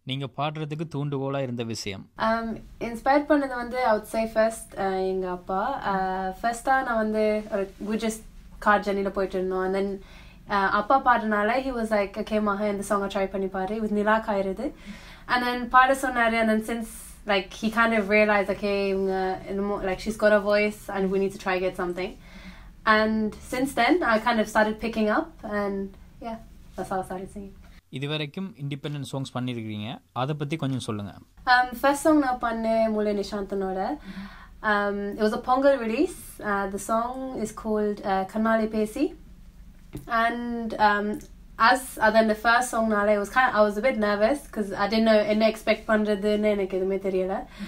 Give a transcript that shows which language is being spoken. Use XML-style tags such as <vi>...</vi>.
<ta>நீங்க பாடுறதுக்கு தூண்டுகோலா இருந்த விஷயம்? இன்ஸ்பயர் பண்ணது வந்து அவுட் சைட் ஃபர்ஸ்ட் எங்க அப்பா. ஃபர்ஸ்டா நான் வந்து ஒரு குஜஸ் கார் ஜர்னில போயிட்டு இருந்தோம். அண்ட் தென் அப்பா பாடுறனால</ta> <en>he was like okay</en> <ta>மகா இந்த சாங்கை ட்ரை பண்ணி பாரு, இது நிலா காயிருது. அண்ட் தென் பாட சொன்னாரு.</ta> <en>And then since like he kind of realized okay like she's got a voice and we need to try get something, and since then I kind of started picking up and yeah, that's how I started singing.</en> <ta>இதுவரைக்கும் independent songs பண்ணிருக்கீங்க, அத பத்தி கொஞ்சம் சொல்லுங்க.</ta> <en>First song</en> <ta>na panne mule nishanthanoda,</ta> <en>it was a pongal release. The song is called kannale pesi, and then the first song nale, it was kind of, I was a bit nervous because I didn't know</en> <ta>enna expect pandradhunu enak edhume theriyala.</ta>